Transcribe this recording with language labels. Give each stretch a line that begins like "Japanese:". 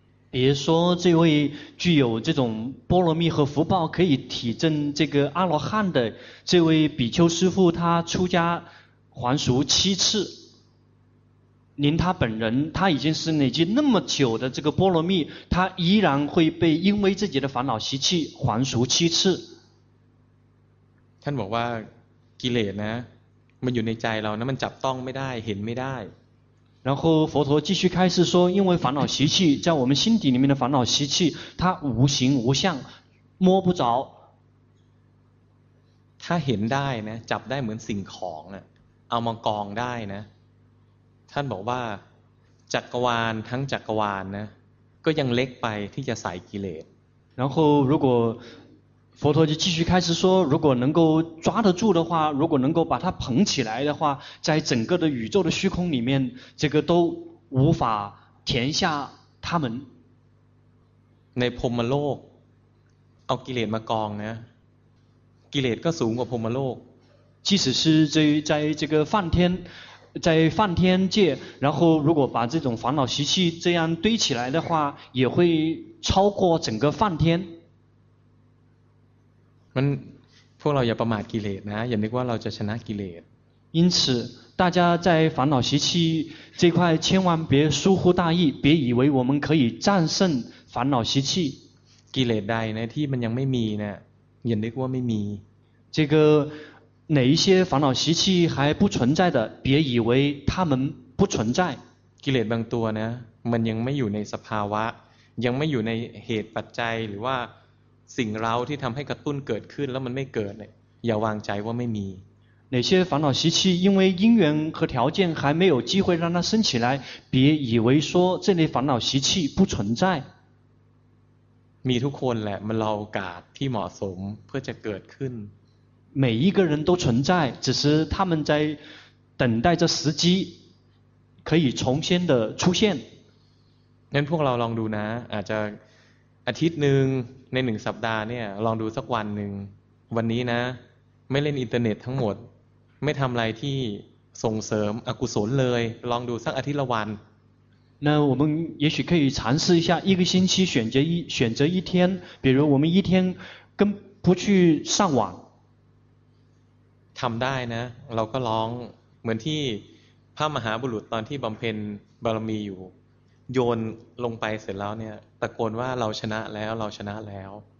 Chinese: 比如说这位具有这种波罗蜜和福报可以体证这个阿罗汉的这位比丘师父他出家还俗七次您他本人他已经是累积那么久的这个波罗蜜他依然会被因为自己的烦恼习气还俗七次
Thai: ท่านบอกว่ากิเลสนะมันอยู่ในใจเรานะมันจับต้องไม่ได้เห็นไม่ได้
Chinese: 然后佛陀继续开示说因为烦恼习气在我们心底里面的烦恼习气它无形无相摸不着
Thai: 他เห็นได้นะจับได้เหมือนสิ่งของนะเอามากองได้นะท่านบอกว่าจักรวาลทั้งจักรวาลนะก็ยังเล็กไปที่จะใส่กิเลส
Chinese: 然后如果佛陀就继续开始说如果能够抓得住的话如果能够把它捧起来的话在整个的宇宙的虚空里面这个都无法填下他们
Thai: ในพรหมโลกเอากิเลสมากองนะกิเลสก็สูงกว่าพรหมโลก
Chinese: 即使是在这个梵天在梵天界然后如果把这种烦恼习气这样堆起来的话也会超过整个梵天
Thai: มันพวกเราอย่าประมาทกิเลสนะอย่านึกว่าเราจะชนะกิเลส
Chinese: 因此大家在烦恼习气这块千万别疏忽大意别以为我们可以战胜烦恼习气
Thai: กิเลสใดนะที่มันยังไม่มีนะอย่านึกว่าไม่มี
Chinese: 这个哪一些烦恼习气还不存在的别以为他们不存在
Thai: กิเลสบางตัวนะมันยังไม่อยู่ในสภาวะยังไม่อยู่ในเหตุปัจจัยหรือว่าสิ่งเราที่ทำให้กระตุ้นเกิดขึ้นแล้วมันไม่เกิดอย่าวางใจว่าไม่มี
Chinese: 哪些烦恼习气因为因缘和条件还没有机会让它升起来别以为说这类烦恼习气不存在
Thai: มีทุกคนแหละมันรอโอกาสที่เหมาะสมเพื่อจะเกิดขึ้น
Chinese: 每一个人都存在只是他们在等待着时机可以重新的出现
Thai: งั้นพวกเราลองดูนะอาจจะอาทิตย์หนึ่งในหนึ่งสัปดาห์เนี่ยลองดูสักวันหนึ่งวันนี้นะไม่เล่นอินเทอร์เน็ตทั้งหมดไม่ทำอะไรที่ส่งเสริมอกุศลเลยลองดูสักอาทิตย์ละวัน
Chinese: 那我们也许可以尝试一下一个星期选择一天比如我们一天跟不去上网
Thai: ทำได้นะเราก็ลองเหมือนที่พระมหาบุรุษตอนที่บำเพ็ญบารมีอยู่โยนลงไปเสร็จแล้วเนี่ยตะโกนว่าเราชนะแล้วเราชนะแล้ว